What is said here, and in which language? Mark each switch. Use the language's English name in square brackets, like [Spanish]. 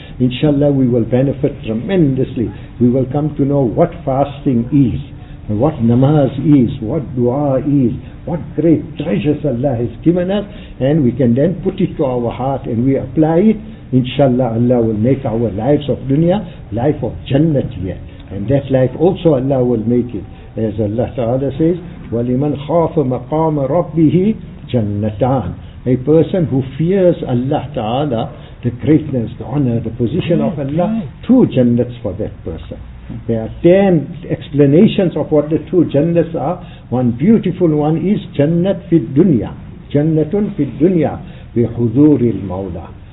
[English] Inshallah, we will benefit tremendously. We will come to know what fasting is, what namaz is, what dua is, what great treasures Allah has given us, and we can then put it to our heart and we apply it. Inshallah, Allah will make our lives of dunya life of jannah yet. And that life also Allah will make it. As Allah Ta'ala says, [Arabic] وَلِمَنْ خَافَ مَقَامَ رَبِّهِ جَنَّتَانَ. [English] A person who fears Allah Ta'ala, the greatness, the honor, the position of Allah, two jannats for that person. There are 10 explanations of what the two jannats are. One beautiful one is [Arabic] jannat fi dunya, jannatun fi dunya bi huduril mawla.